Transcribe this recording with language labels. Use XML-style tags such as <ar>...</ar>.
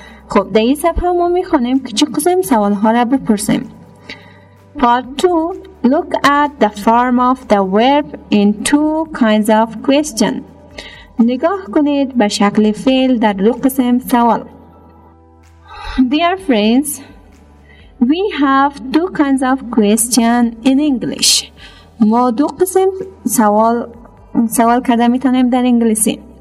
<fa>خب در این صفحه ما میخوانیم که چه قسم سوال ها را بپرسیم.</fa> <en>Part 2, look at the form of the verb in two kinds of question.</en> <fa>نگاه کنید به شکل فعل در دو قسم سوال.</fa> <en>Dear friends, we have two kinds of question in English.</en> <fa>ما دو قسم سوال کرده میتونیم در انگلیسی.</fa>